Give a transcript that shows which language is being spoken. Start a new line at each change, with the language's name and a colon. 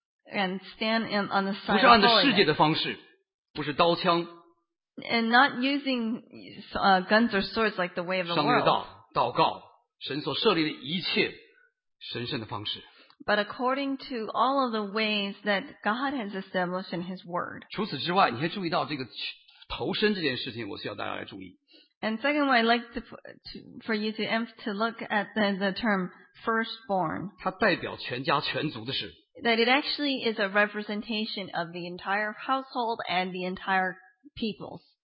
English: And stand on the side of holiness. And not using guns or swords like the way of the world.
Chinese: 祷告神所设立的一切神圣的方式。
English: But according to all of the ways that God has established in His Word.
Chinese: 除此之外，你还注意到这个投身这件事情，我需要大家来注意。
English: And second, I'd like to look at the term firstborn.
Chinese: 它代表全家全族的事。
English: That it actually is a representation of the entire household and the entire peoples.